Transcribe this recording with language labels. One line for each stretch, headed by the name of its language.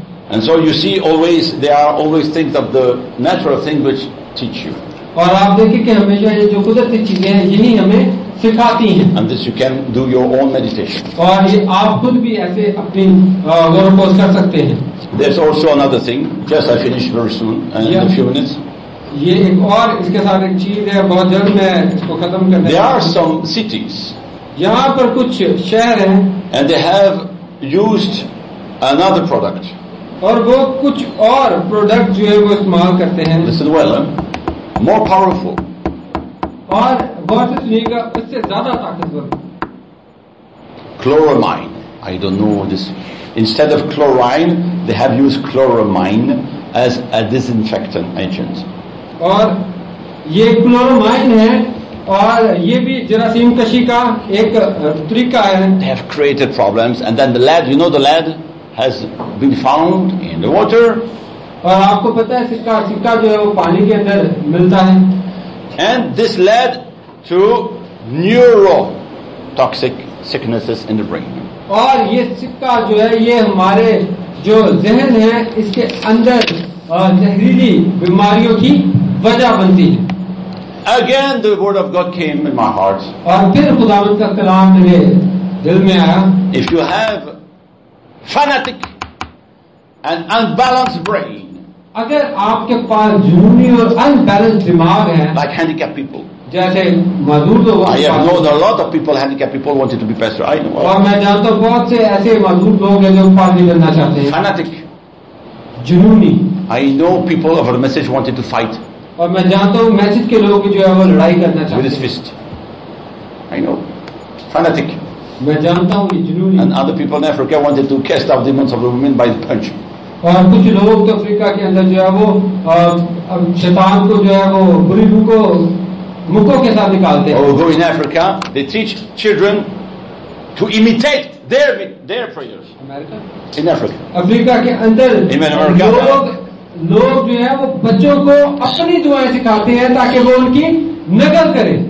English: And so you see always, there are always things of the natural thing which teach you.
Hindi: और आप देखिए कि हमेशा ये जो कुदरती चीजें हैं यही हमें सिखाती हैं.
English: And this you can do your own meditation.
Hindi: और ये आप खुद भी ऐसे अपनी गौर पोस कर सकते हैं.
English: There's also another thing, just I finish very soon, in a few minutes.
Hindi: ये एक और इसके साथ एक चीज है, बहुत जल्द मैं इसको खत्म करना.
English: There are some cities.
Hindi: यहाँ पर कुछ शहर हैं.
English: And they have used another product.
Hindi: और वो कुछ और प्रोडक्ट जो है वो इस्तेमाल करते हैं.
English: Listen well, more powerful.
Hindi: और बहुत इससे ज्यादा ताकतवर.
English: Chloramine. I don't know this. Instead of chlorine, they have used chloramine as a disinfectant agent.
Hindi: और ये chloramine है और ये भी जरासीम कशी का एक तरीका है.
English: They have created problems and then the lead, you know the lead? Has been found in the water.
Hindi: और आपको पता है सिक्का जो है वो पानी के अंदर मिलता है.
English: And this led to neuro toxic sicknesses in the brain.
Hindi: और ये सिक्का जो है ये हमारे जो जहन है इसके अंदर जहरीली बीमारियों की वजह बनती है.
English: Again the word of God came in my heart.
Hindi: और फिर खुदावंद का कलाम मेरे दिल में आया.
English: If you have fanatic and unbalanced brain.
Hindi: अगर आपके पास जुनूनी और अनबैलेंस्ड दिमाग है,
English: like handicapped people.
Hindi: जैसे मजदूर लोग.
English: I have known a lot of people, handicapped people wanted to be pastor. I know.
Hindi: और मैं जानता हूँ बहुत से ऐसे मजदूर लोग हैं जो पादरी बनना चाहते हैं.
English: Fanatic.
Hindi: जुनूनी.
English: I know people of our message wanted to fight.
Hindi: और मैं जानता हूँ मैसेज के लोग जो है वो लड़ाई करना चाहते हैं.
English: With his fist. I know. Fanatic.
Hindi: मैं जानता हूँ ये जुनूनी.
English: And other people in Africa wanted to cast out demons of the women by the punch.
Hindi: और कुछ लोग तो अफ्रीका के अंदर जो है वो शैतान को जो है वो बुरी रूह को मुखों के साथ निकालते हैं.
English: Oh, go in Africa, they teach children to imitate their prayers. America? In Africa.
Hindi: Africa के अंदर
English: in America,
Hindi: लोग जो है वो बच्चों को अपनी दुआएं सिखाते हैं ताकि वो उनकी नकल करें.